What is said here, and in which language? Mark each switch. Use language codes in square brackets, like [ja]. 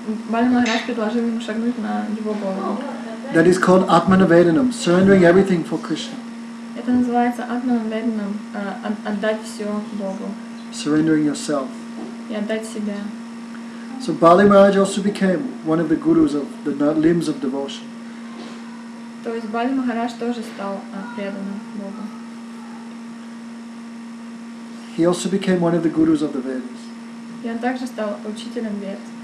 [ru] Бали Махарадж предложил ему шагнуть на его голову. [en] That is called Atmanivedanam, surrendering everything for Krishna. [ru] Это называется Atmanivedanam, отдать все Богу. [en] Surrendering yourself. [ru] И отдать себя. [en] So Bali Maharaj also became one of the gurus of the limbs of devotion. [ru] То есть Бали Махарадж тоже стал преданным Богу. [en] He also became one of the gurus of the Vedas. [ru] И он также стал учителем Вед.